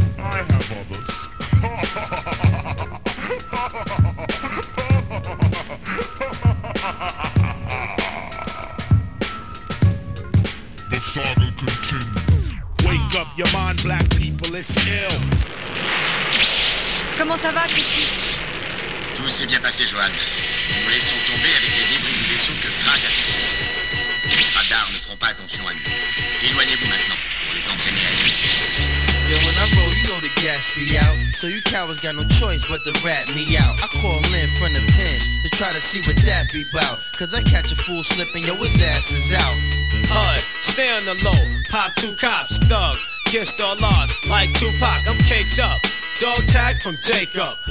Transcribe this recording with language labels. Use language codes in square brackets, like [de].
[en] I have others. The saga continues. Wake up your mind, black people, it's ill. [fr] Comment ça va, Christy? Tout s'est bien passé, Joanne. Nous laissons tomber avec les débris du vaisseau que Crane a touché. Les radars ne feront pas attention à nous. Éloignez-vous maintenant pour les entraîner à tous. [en] Yo, when I roll, you know the gas be out. So you cowards got no choice but to rat me out. I call in from the pen to try to see what that be about. Cause I catch a fool slipping, yo, his ass is out. HUD, stay on the low. Pop two cops, thug. Kissed all odds like Tupac, I'm caked up. Dog tag from Jacob.